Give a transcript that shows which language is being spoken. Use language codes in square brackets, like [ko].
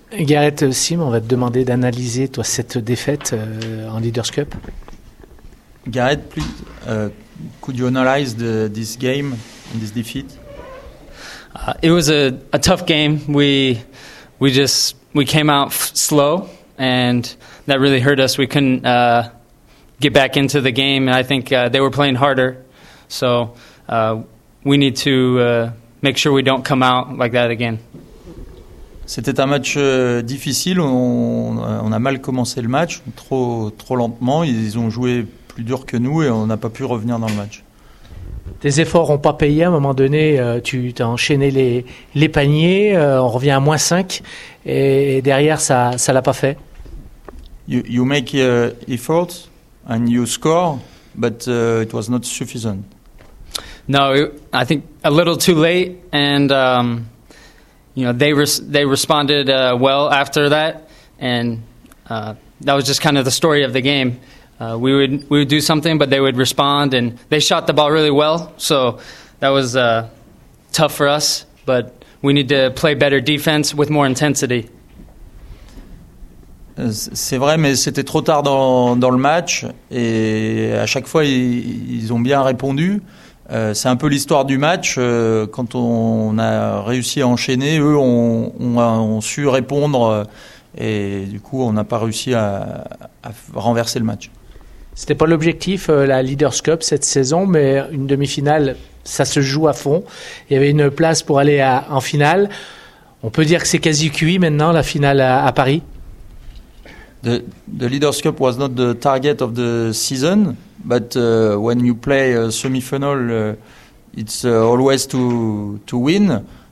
[fr] Gareth Sim, on va te demander d'analyser toi cette défaite en Leaders Cup. [en] Gareth, please, could you analyze this game and this defeat? It was a tough game. We came out slow, and that really hurt us. We couldn't get back into the game, and I think they were playing harder. So we need to make sure we don't come out like that again. [fr] C'était un match difficile. On a mal commencé le match, trop lentement. Ils ont joué plus dur que nous et on n'a pas pu revenir dans le match. Tes efforts n'ont pas payé. À un moment donné, tu as enchaîné les paniers. On revient à moins 5 et derrière, ça l'a pas fait. [en] You make efforts and you score, but it was not sufficient. No, I think a little too late and. They responded well after that, and that was just kind of the story of the game. We would do something, but they would respond, and they shot the ball really well. So that was tough for us, but we need to play better defense with more intensity. [fr] C'est vrai, mais c'était trop tard dans le match, et à chaque fois ils ont bien répondu. C'est un peu l'histoire du match. Quand on a réussi à enchaîner, eux ont su répondre et du coup, on n'a pas réussi à renverser le match. C'était pas l'objectif, la Leaders Cup cette saison, mais une demi-finale, ça se joue à fond. Il y avait une place pour aller en finale. On peut dire que c'est quasi cuit maintenant, la finale à Paris. [en] The Leaders Cup was not the target of the season. But when you play semi-final, it's always to win.